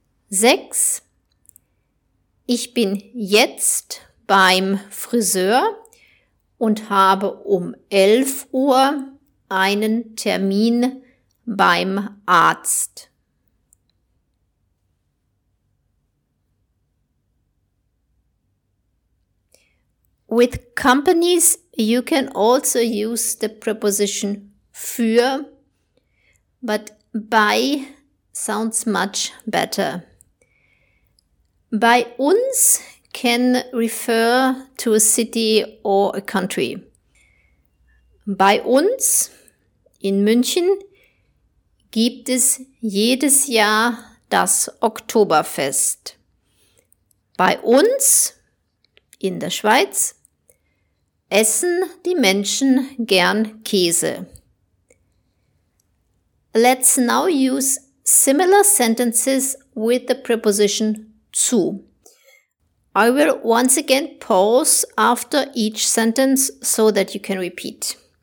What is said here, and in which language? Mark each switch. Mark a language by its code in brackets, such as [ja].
[de] 6. Ich bin jetzt beim Friseur und habe um 11 Uhr einen Termin beim Arzt. [en] 7. With companies you can also use the preposition für, but by sounds much better. [de] Bei uns [en] can refer to a city or a country. [de] Bei uns in München gibt es jedes Jahr das Oktoberfest. Bei uns in der Schweiz essen die Menschen gern Käse. [en] Let's now use similar sentences with the preposition zu. I will once again pause after each sentence so that you can repeat.